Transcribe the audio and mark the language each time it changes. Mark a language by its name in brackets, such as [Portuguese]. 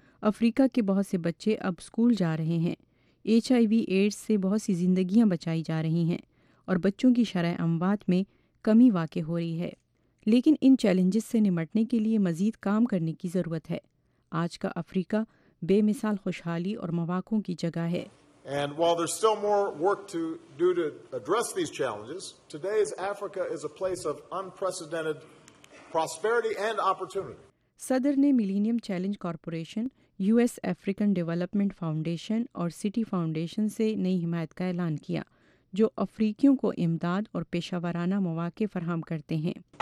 [Urdu] افریقہ کے بہت سے بچے اب اسکول جا رہے ہیں، ایچ آئی وی ایڈس سے بہت سی زندگیاں بچائی جا رہی ہیں اور بچوں کی شرح اموات میں کمی واقع ہو رہی ہے، لیکن ان چیلنجز سے نمٹنے کے لیے مزید کام کرنے کی ضرورت ہے۔ آج کا افریقہ بے مثال خوشحالی اور مواقع کی جگہ ہے۔ [English] And while there's still more work to do to address these challenges, today's Africa is a place of unprecedented prosperity and opportunity. [Urdu] صدر نے millennium challenge corporation, U S African development foundation اور سٹی فاؤنڈیشن سے نئی حمایت کا اعلان کیا جو افریقیوں کو امداد اور پیشہ ورانہ مواقع فراہم کرتے ہیں۔